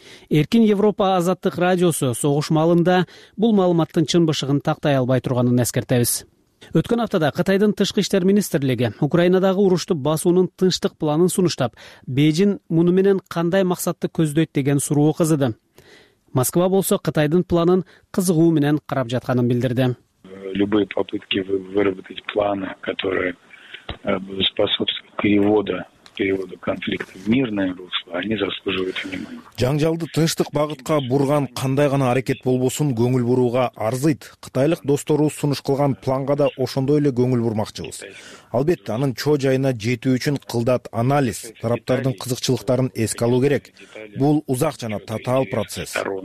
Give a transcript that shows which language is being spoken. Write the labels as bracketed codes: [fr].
[ky] Эркин Европа Азаттык радиосу согуш маалында бул маалыматтын чынбышыгын тактай албай турганын эскертебиз. Өткөн аптада Кытайдын тышкы иштер министрлиги Украинадагы урушту басуунун тынчтык планын сунуштап, Бээжин муну менен кандай максатты көздөйт деген суроо кызыды. Москва болсо Кытайдын планын кызыгуу менен карап жатканын билдирди. [ru] Любые попытки выработать планы, которые способствуют переводу конфликта в мирное русло, они заслуживают внимания. [ky] Жаңжалды тынчтык багытка бурган кандай гана аракет болбосун көңүл бурууга арзыйт. Кытайлык досторубуз сунуш кылган планга да ошондой эле көңүл бурмакчыбыз. Албетте, анын чоо жайына жетүү үчүн кылдат анализ, тараптардын кызыкчылыктарын эске алуу керек. Бул узак жана татаал процесс.